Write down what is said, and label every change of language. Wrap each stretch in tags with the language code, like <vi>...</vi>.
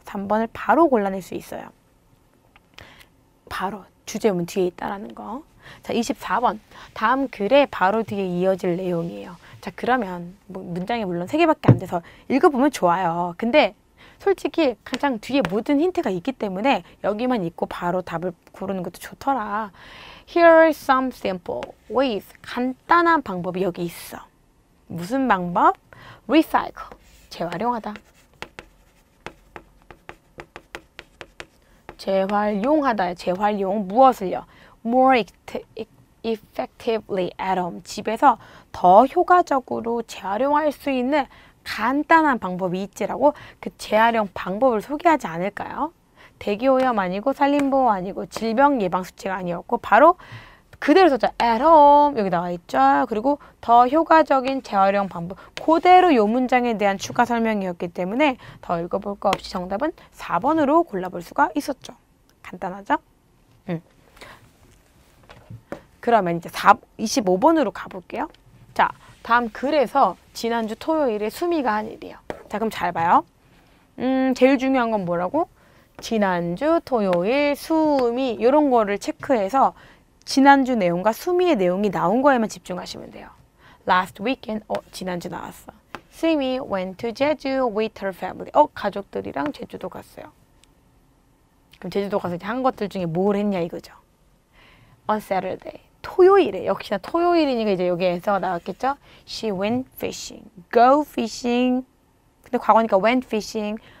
<ko>3번을 바로 골라낼 수 있어요. 바로 주제문 뒤에 있다라는 거. 자, 24번. 다음 글에 바로 뒤에 이어질 내용이에요. 자, 그러면 뭐 문장이 물론 3개밖에 안 돼서 읽어보면 좋아요. 근데 솔직히 가장 뒤에 모든 힌트가 있기 때문에 여기만 읽고 바로 답을 고르는 것도 좋더라.</ko> <en>Here are some simple ways.</en> <ko>간단한 방법이 여기 있어. 무슨 방법? Recycle. 재활용하다. 재활용하다. 재활용. 무엇을요?</ko> <en>More effectively at home.</en> <ko>집에서 더 효과적으로 재활용할 수 있는 간단한 방법이 있지라고 그 재활용 방법을 소개하지 않을까요? 대기오염 아니고 산림보호 아니고 질병 예방 수칙 아니었고 바로 그대로 써져</ko> <en>at home</en> <ko>여기 나와 있죠. 그리고 더 효과적인 재활용 방법 그대로 요 문장에 대한 추가 설명이었기 때문에 더 읽어볼 거 없이 정답은 4번으로 골라볼 수가 있었죠. 간단하죠? 그러면 이제 25번으로 가볼게요. 자. 다음 글에서 지난주 토요일에 수미가 한 일이에요. 자, 그럼 잘 봐요. 제일 중요한 건 뭐라고? 지난주 토요일 수미 이런 거를 체크해서 지난주 내용과 수미의 내용이 나온 거에만 집중하시면 돼요.</ko> <en>Last weekend,</en> <ko>지난주 나왔어.</ko> <en>Sumi went to Jeju with her family.</en> <ko>가족들이랑 제주도 갔어요. 그럼 제주도 가서 이제 한 것들 중에 뭘 했냐 이거죠.</ko> <en>On Saturday.</en> <ko>토요일에 역시나 토요일이니까 이제 여기에서 나왔겠죠?</ko> <en>She went fishing. Go fishing.</en> <ko>근데 과거니까</ko> <en>went fishing.</en>